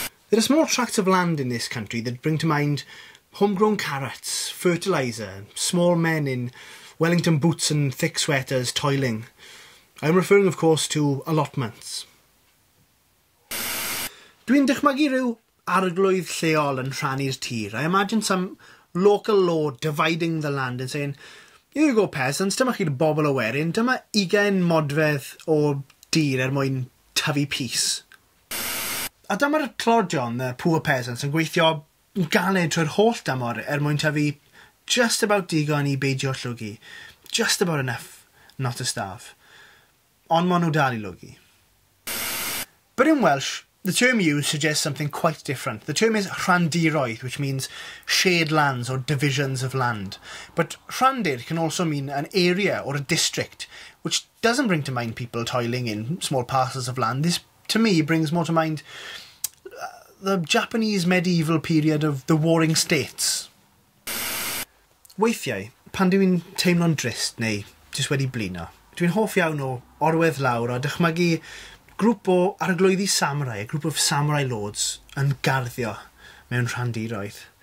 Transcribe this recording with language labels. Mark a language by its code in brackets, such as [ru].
[en] There are small tracts of land in this country that bring to mind homegrown carrots, fertiliser, small men in Wellington boots and thick sweaters toiling. I'm referring, of course, to allotments. [cy] Dwi'n dychmygu rhyw arglwydd lleol yn rhannu'r tir. [en] I imagine some local lord dividing the land and saying, here you go, peasants, [cy] dyma chi'r bobl o werin, dyma 20 modfedd o dir mwyn tyfu pys. A dyma'r clodion, [en] the poor peasants, [cy] yn gweithio galed trwy'r holl dymor mwyn tyfu [en] just about [cy] digon I beidio llwgu. [en] Just about enough, not to starve. [cy] Ond ma' nhw dal I llwgu. [en] But in Welsh, the term used suggests something quite different. The term is Rhandiroedd, which means shared lands or divisions of land. But Rhandir can also mean an area or a district, which doesn't bring to mind people toiling in small parcels of land. This, to me, brings more to mind the Japanese medieval period of the Warring States. [cy] Weithiau, pan dwi'n teimlo'n drist neu jyst wedi blino, dwi'n hoff iawn o orwedd lawr a dychmygu group o arglwyddi samurai, [en] a group of samurai lords, [cy] yn garddio mewn rhandiroedd.